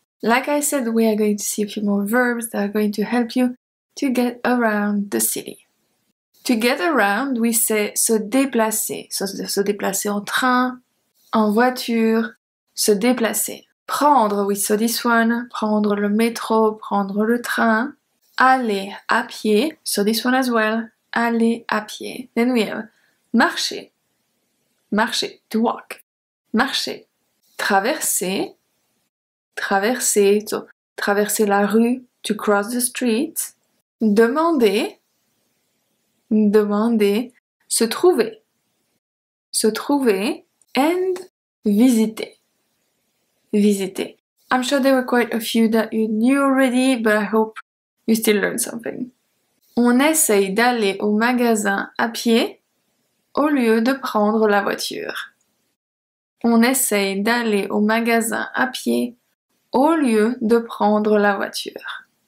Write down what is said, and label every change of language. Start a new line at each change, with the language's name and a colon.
English: Like I said, we are going to see a few more verbs that are going to help you to get around the city. To get around, we say
French: se déplacer. So, se déplacer en train, en voiture, se déplacer. Prendre,
English: we saw this one.
French: Prendre le métro, prendre le train. Aller à pied,
English: so this one as well.
French: Aller à pied.
English: Then we have
French: marcher. Marcher,
English: to walk.
French: Marcher. Traverser. Traverser, so, traverser la rue,
English: to cross the street.
French: Demander. Demander. Se trouver. Se trouver. And visiter. Visiter.
English: I'm sure there were quite a few that you knew already, but I hope you still learned something.
French: On essaye d'aller au magasin à pied au lieu de prendre la voiture. On essaye d'aller au magasin à pied au lieu de prendre la voiture.